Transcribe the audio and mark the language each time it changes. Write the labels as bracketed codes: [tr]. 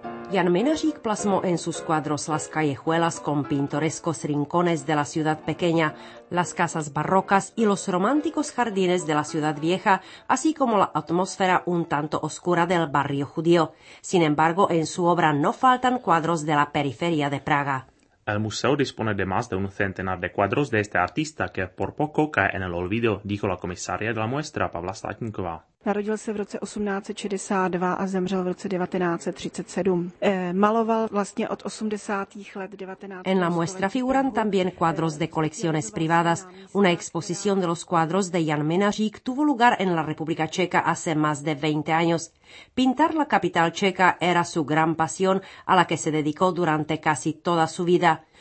[es] Jan Mynářík plasmó en sus cuadros las callejuelas con pintorescos rincones de la ciudad pequeña, las casas barrocas y los románticos jardines de la ciudad vieja, así como la atmósfera un tanto oscura del barrio judío. Sin embargo, en su obra no faltan cuadros de la periferia de Praga. El museo dispone de más de un centenar de cuadros de este artista que por poco cae en el olvido, dijo la comisaria de la muestra, Pavla Státníková. [cs] Narodil se v roce 1862 a zemřel v roce 1937. Maloval vlastně od 80. let 19. [es] En la muestra figuran también cuadros de colecciones privadas. Una exposición de los cuadros de Jan Mynářík tuvo lugar en la República Checa hace más de 20 años. Pintar la capital checa era su gran pasión, a la que se dedicó durante casi toda su vida.